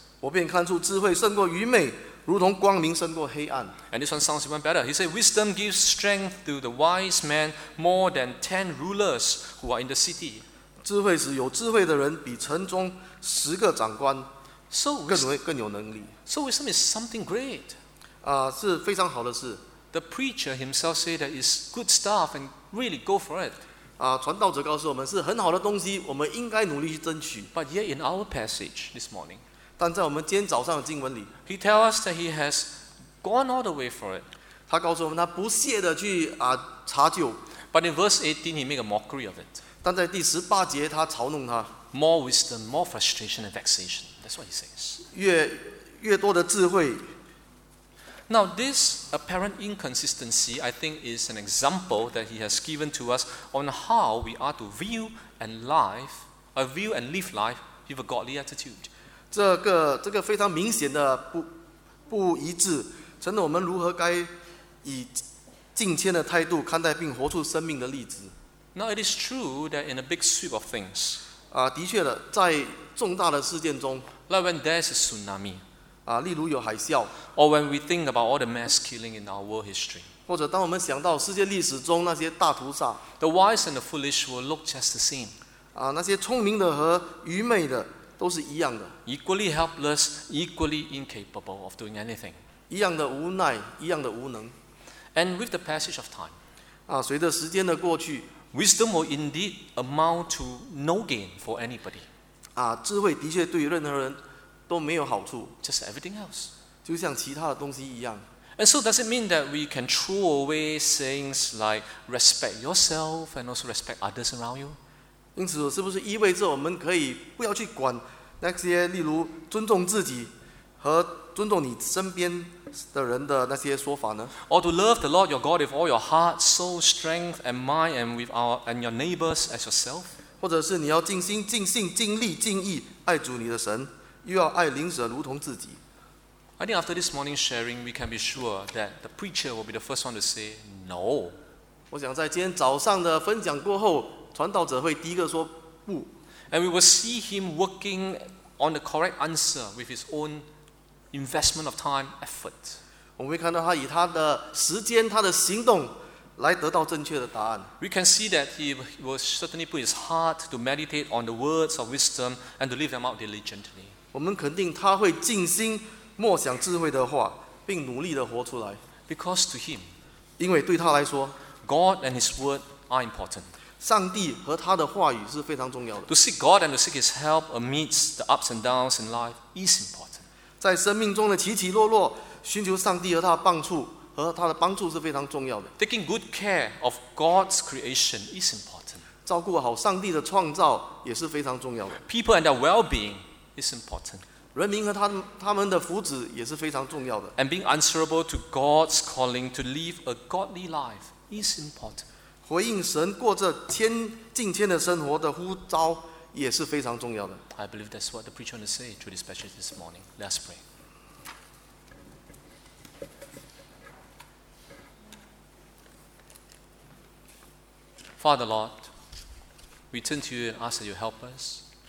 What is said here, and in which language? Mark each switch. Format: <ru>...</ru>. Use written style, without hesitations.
<zh>我便看出智慧胜过愚昧，如同光明胜过黑暗。</zh> <en>And this one sounds even better. He said, "Wisdom gives strength to the wise man more than 10 rulers who are in the city."</en> <zh>智慧使有智慧的人比城中十个长官更有能力。</zh> <en>So wisdom is something great.</en> <zh>是非常好的事。</zh> <en>The preacher himself said that it's good stuff and really go for it.</en> <zh>传道者告诉我们是很好的东西，我们应该努力去争取。</zh> <en>But yet in our passage this morning.</en> <zh>但在我们今天早上的经文里</zh> <en>，He tells us that he has gone all the way for it.</en> <zh>他告诉我们，他不懈的去查究。</zh> <en>But in verse 18, he made a mockery of it.</en> <zh>但在第十八节，他嘲弄他。</zh> <en>More wisdom, more frustration and vexation. That's what he says.</en> <zh>越多的智慧。</zh> <en>Now this apparent inconsistency, I think, is an example that he has given to us on how we are to view and live life with a godly attitude.</en> <zh>这个非常明显的不一致，成了我们如何该以敬虔的态度看待并活出生命的例子。</zh> <en>Now it is true that in a big sweep of things，</en> <zh>的确的，在重大的事件中</zh> <en>，like when there's a tsunami，</en> <zh>例如有海啸</zh> <en>，or when we think about all the mass killing in our world history，</en> <zh>或者当我们想到世界历史中那些大屠杀</zh> <en>，the wise and the foolish will look just the same，</en> <zh>那些聪明的和愚昧的。都是一样的</zh> <en>，equally helpless, equally incapable of doing anything.</en> <zh>一样的无奈，一样的无能。</zh> <en>And with the passage of time,</en> <zh>随着时间的过去</zh> <en>，wisdom will indeed amount to no gain for anybody.</en> <zh>智慧的确对任何人都没有好处。</zh> <en>Just everything else,</en> <zh>就像其他的东西一样。</zh> <en>And so does it mean that we can throw away sayings like respect yourself and also respect others around you?</en> <zh>因此，是不是意味着我们可以不要去管那些，例如尊重自己和尊重你身边的人的那些说法呢</zh> <en>？Or to love the Lord your God with all your heart, soul, strength, and mind, and with our and your neighbors as yourself？</en> <zh>或者是你要尽心、尽性、尽力、尽意爱主你的神，又要爱邻舍如同自己</zh> <en>？I think after this morning's sharing, we can be sure that the preacher will be the first one to say no.</en> <zh>我想在今天早上的分享过后。传道者会第一个说不</zh> <en>，and we will see him working on the correct answer with his own investment of time effort.</en> <zh>我们会看到他以他的时间、他的行动来得到正确的答案。</zh> <en>We can see that he will certainly put his heart to meditate on the words of wisdom and to live them out diligently.</en> <zh>我们肯定他会静心默想智慧的话，并努力的活出来。</zh> <en>Because to him,</en> <zh>因为对他来说</zh> <en>，God and His Word are important.</en> <zh>上帝和他的话语是非常重要的。</zh> <en>To seek God and to seek His help amidst the ups and downs in life is important.</en> <zh>在生命中的起起落落，寻求上帝和他的帮助和他的帮助是非常重要的。</zh> <en>Taking good care of God's creation is important.</en> <zh>照顾好上帝的创造也是非常重要的。</zh> <en>People and their well-being is important.</en> <zh>人民和他们的福祉也是非常重要的。</zh> <en>And being answerable to God's calling to live a godly life is important.</en> <zh>回应神过着天敬天的生活的呼召也是非常重要的。</zh> <en>I believe that's what the preacher wants to say through this passage this morning. Let's pray. Father Lord, we turn to you and ask that you help us.</en>